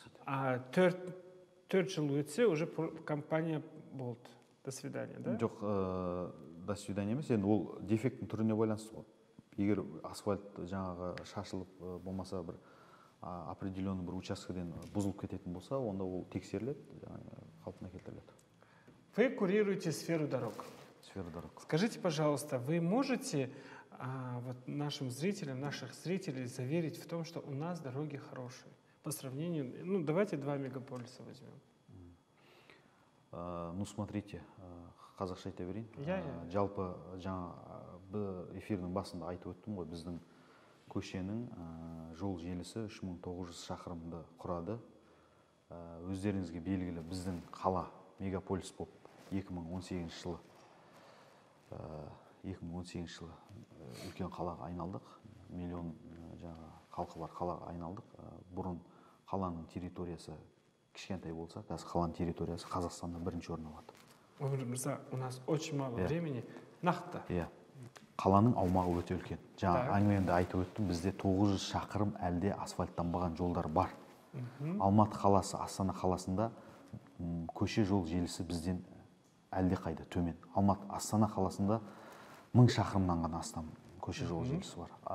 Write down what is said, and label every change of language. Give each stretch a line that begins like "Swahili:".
Kazakh: А 4 жыл өтсе, уже компания болды.
Russian: До свидания, да?
Kazakh: Жоқ,
Russian: до свидания
Kazakh: емес. Енді ол дефектің түріне байланысты ғой. Егер асфальт жаңағы шашылып болмаса, бір определенный бір учаскеден бұзылып кететін болса, онда ол тексеріледі, қалпына келтіріледі.
Russian: Вы курируете сферу дорог. Свердорог. Скажите, пожалуйста, вы можете вот нашим зрителям, наших зрителей заверить в том, что у нас дороги хорошие? По сравнению, ну, давайте два мегаполиса возьмем. Ну, смотрите,
Kazakh: қазақша айта берейін. Жалпы, жаңа эфирдің басында айтып өттім ғой, біздің көшенің жол желісі 3900 шақырымды құрады. Өздеріңізге белгілі, біздің қала мегаполис болып 2018 жылы үлкен қалаға айналдық. Миллион жаңа халқы бар қалаға айналдық. Бұрын қаланың территориясы кішкентай болса, қазір қаланың территориясы Қазақстанда бірінші орын алады.
Russian: Өмір мырза, у нас очень мало времени.
Kazakh: Нақты. Иә. Қаланың аумағы өте үлкен. Жаңа әңгімемді айтып өттім, бізде 900 шақырым әлде асфальттанбаған жолдар бар. Алматы қаласы, Астана қаласында көше жол желісі бізден әлде қайда төмен. Алматы, Астана қаласында 1000 шақырымнан ғана астам көше жол желісі бар.